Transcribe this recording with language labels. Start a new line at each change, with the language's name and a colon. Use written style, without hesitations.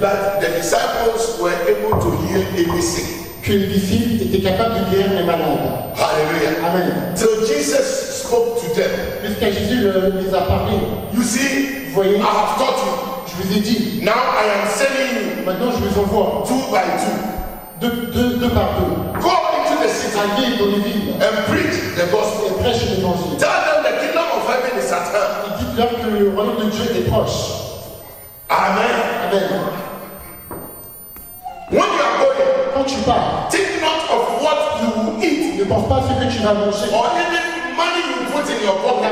English: that the disciples were able to heal any sick,
French: que les disciples étaient capables de guérir les malades. Hallelujah. Amen.
English: So Jesus spoke to them.
French: Puisque Jésus les a parlé.
English: You see,
French: voyez,
English: I have taught you.
French: Je vous ai dit.
English: Now I am sending you.
French: Maintenant je vous envoie.
English: Two by two.
French: Deux par deux.
English: Go into the city
French: dans
English: and preach the gospel.
French: Et prêche l'évangile.
English: Tell them the kingdom of heaven is at hand.
French: Et dites-leur que le royaume de Dieu est proche. Amen. Amen.
English: When you are going,
French: quand tu pars,
English: think not of what you will eat.
French: Ne pense pas à ce que tu vas manger.
English: Or even money you put in your pocket.